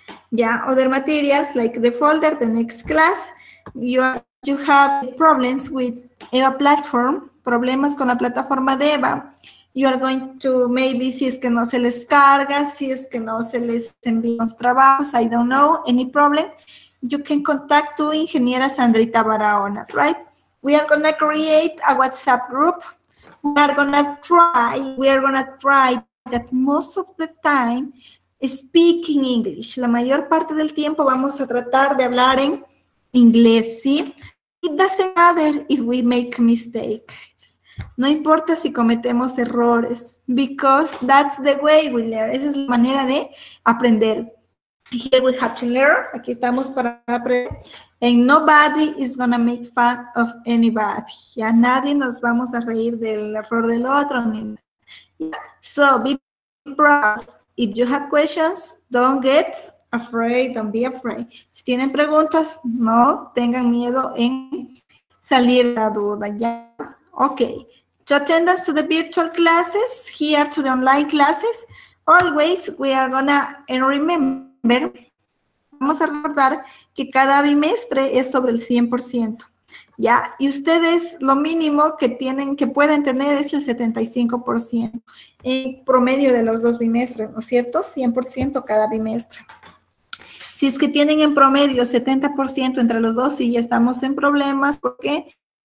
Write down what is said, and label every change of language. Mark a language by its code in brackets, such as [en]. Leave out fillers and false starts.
[en] Ya, yeah, other materials like the folder, the next class. You have problems with EVA platform, [es] problemas con la plataforma de EVA. [en] You are going to, maybe, [es] si es que no se les carga, si es que no se les envía los trabajos, [en] I don't know, any problem. You can contact to Ingeniera Sandrita Barahona, right? We are going to create a WhatsApp group. We are going to try that most of the time speaking English. [es] La mayor parte del tiempo vamos a tratar de hablar en inglés, ¿sí? [en] It doesn't matter if we make mistakes. [es] No importa si cometemos errores, [en] because that's the way we learn. [es] Esa es la manera de aprender. [en] Here we have to learn. [es] Aquí estamos para aprender. [en] And nobody is going to make fun of anybody. [es] Ya nadie nos vamos a reír del error del otro. [en] So be proud. If you have questions, don't get afraid. Don't be afraid. [es] Si tienen preguntas, no tengan miedo en salir la duda. Ya. Okay. [en] To attend us to the virtual classes, here to the online classes, always we are going to remember. [es] Vamos a recordar que cada bimestre es sobre el 100%, ¿ya? Y ustedes lo mínimo que tienen, que pueden tener es el 75% en promedio de los dos bimestres, ¿no es cierto? 100% cada bimestre. Si es que tienen en promedio 70% entre los dos, sí, ya estamos en problemas. ¿Por qué?